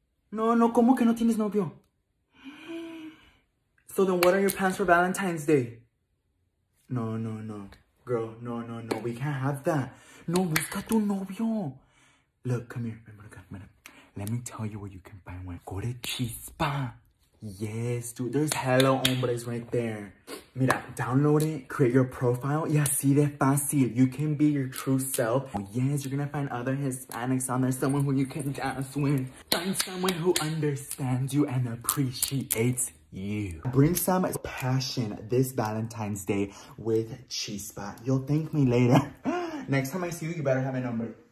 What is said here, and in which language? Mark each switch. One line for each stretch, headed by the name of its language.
Spanish: No, no, ¿cómo que no tienes novio?
English: So then what are your plans for Valentine's Day? No, no, no. Girl, no, no, no. We can't have that.
Spanish: No, busca tu novio.
English: Look, come here.
Spanish: Ven, acá, ven.
English: Let me tell you where you can find one. Go to Chispa. Yes, dude. There's hello hombres right there.
Spanish: Mira,
English: download it. Create your profile.
Spanish: Y así de fácil.
English: You can be your true self. Oh, yes, you're gonna find other Hispanics on there. Someone who you can dance with. Find someone who understands you and appreciates you. You bring some passion this Valentine's Day with Chispa. You'll thank me later. Next time I see you, you better have a number.